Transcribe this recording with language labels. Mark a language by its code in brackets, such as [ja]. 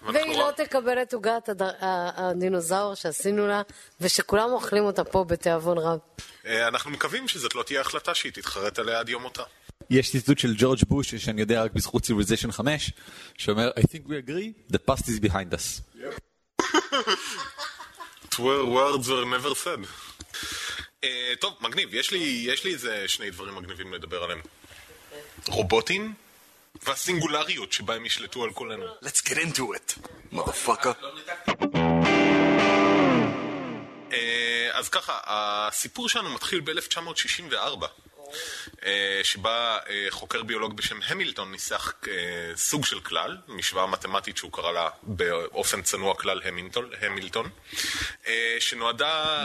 [he] והיא לא תקבל את עוגת הדינוזאור שעשינו לה, ושכולם אוכלים אותה פה בתיאבון רב. אנחנו מקווים שזאת לא תהיה החלטה שהיא תתחרט עליה עד יום אותה. יש ציטוט של ג'ורג' בוש, שאני יודע רק בזכות Civilization 5, שאומר, [en] I think we agree, the past is behind us. Where words were never said. [he] טוב, מגניב, יש לי איזה שני דברים מגניבים לדבר עליהם. רובוטים והסינגולריות שבה הם ישלטו על כולנו. [en] Let's get into it, motherfucker. [he] אז ככה, הסיפור שלנו מתחיל ב-1964, שבה חוקר ביולוג בשם המילטון ניסח סוג של כלל, משוואה מתמטית שהוא קרא לה באופן צנוע כלל המילטון, שנועדה...